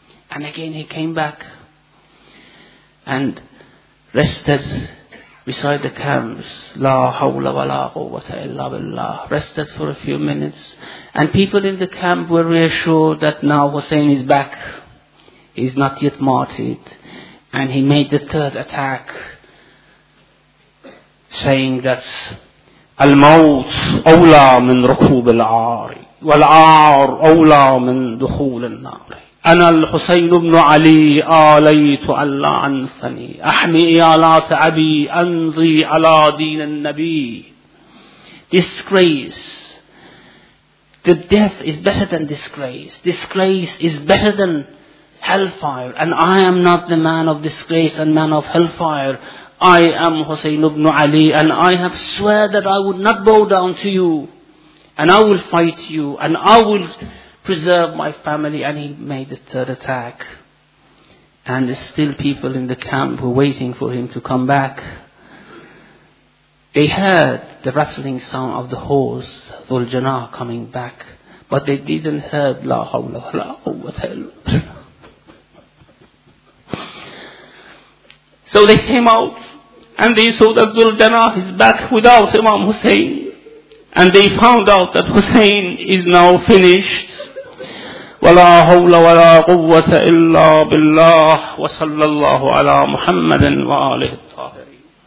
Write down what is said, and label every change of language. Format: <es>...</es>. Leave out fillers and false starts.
<en>And again he came back and rested beside the camps.</en> <ar>La hawla wa la quwwata illa billah.</ar> <en>Rested for a few minutes. And people in the camp were reassured that now Hussein is back. He's not yet martyred. And he made the third attack, saying that</en> <ar>الموت أولى من ركوب العار والعار أولى من دخول النار أنا الحسين بن علي آليت ألا أنثني أحمي إيالات أبي أنظي على دين النبي.</ar> <en>Disgrace. The death is better than disgrace. Disgrace is better than hellfire. And I am not the man of disgrace and man of hellfire. I am Hussein ibn Ali, and I have swear that I would not bow down to you, and I will fight you, and I will preserve my family. And he made the third attack. And there's still people in the camp who are waiting for him to come back. They heard the rattling sound of the horse, Dhul Jannah, coming back, but they didn't hear</en> <ar>La hawla wa la quwwata illa billah.</ar> <en>So they came out, and they saw that Dhul Jannah is back without Imam Hussein. And they found out that Hussein is now finished.</en> <ar>ولا حول ولا قوة إلا بالله وصلى الله على محمد وآله الطاهرين.</ar>